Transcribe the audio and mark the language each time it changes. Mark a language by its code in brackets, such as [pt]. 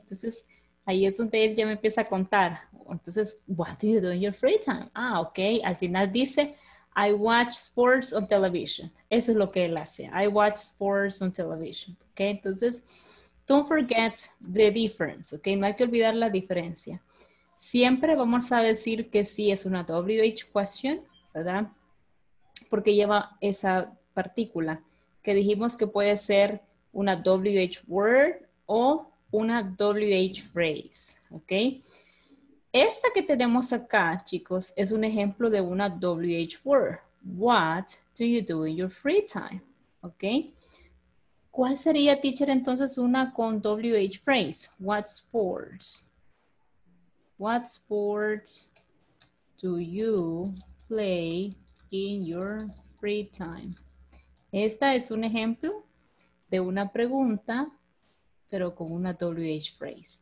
[es] Entonces, ahí es donde él ya me empieza a contar. Entonces, [en] what do you do in your free time? [es] Ah, okay. Al final dice, [en] I watch sports on television. [es] Eso es lo que él hace. [en] I watch sports on television. Okay, [es] entonces, [en] don't forget the difference. [es] Okay, no hay que olvidar la diferencia. Siempre vamos a decir que sí es una WH question, ¿verdad? Porque lleva esa partícula que dijimos que puede ser una WH word o una WH phrase, ¿ok? Esta que tenemos acá, chicos, es un ejemplo de una WH word. [en] What do you do in your free time? ¿Ok? [es] ¿Cuál sería, teacher, entonces una con WH phrase? [en] What sports? What sports do you play in your free time? [es] Esta es un ejemplo de una pregunta, pero con una WH phrase.